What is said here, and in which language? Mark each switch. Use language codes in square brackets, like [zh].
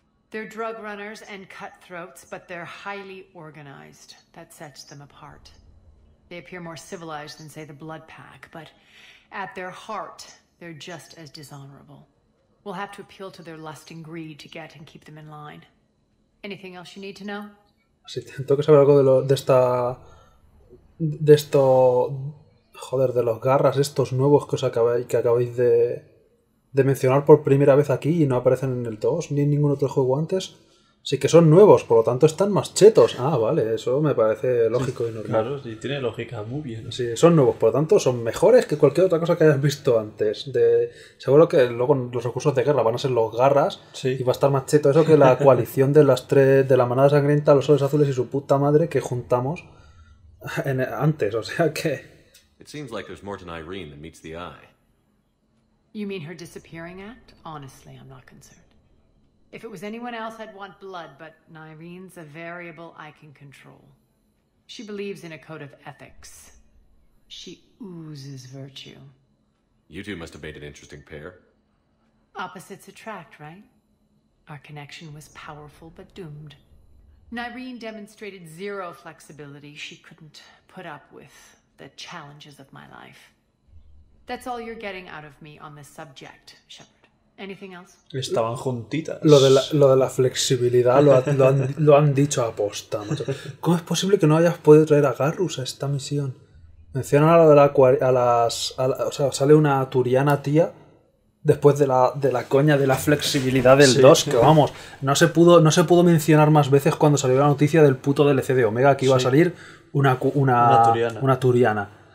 [en] They're drug runners and cutthroats, but they're highly organized. That sets them apart. They appear more civilized than, say, the Blood Pack, but at their heart, they're just as dishonorable. We'll have to appeal to their lust and greed to get and keep them in line. Anything else you need to know? [es] Sí, tengo que saber algo de los garras estos nuevos que acabáis de mencionar por primera vez aquí y no aparecen en el 2 ni en ningún otro juego antes. Sí que son nuevos, por lo tanto están más chetos. Ah, vale, eso me parece lógico y normal. Claro, sí, tiene lógica, muy bien. Sí, son nuevos, por lo tanto son mejores que cualquier otra cosa que hayas visto antes. Seguro que luego los recursos de guerra van a ser los garras, sí. Y va a estar más cheto eso que la coalición de las tres, de la manada sangrienta, los soles azules y su puta madre que juntamos antes, o sea que... [en] It seems like there's more to Nyrene than meets the eye. You mean her disappearing act? Honestly, I'm not concerned. If it was anyone else, I'd want blood, but Nyrene's a variable I can control. She believes in a code of ethics. She oozes virtue. You two must have made an interesting pair. Opposites attract, right? Our connection was powerful, but doomed. Nyrene demonstrated zero flexibility. She couldn't put up with the challenges of my life. That's all you're getting out of me on this subject, Shepard. Anything else? [es] Estaban juntitas. Lo de la flexibilidad lo han dicho a posta. ¿Cómo es posible que no hayas podido traer a Garrus a esta misión? Menciona lo de la o sea, sale una turiana tía después de la coña de la flexibilidad del 2, sí. Que vamos, no se pudo mencionar más veces cuando salió la noticia del puto DLC de Omega que iba, sí, a salir una turiana.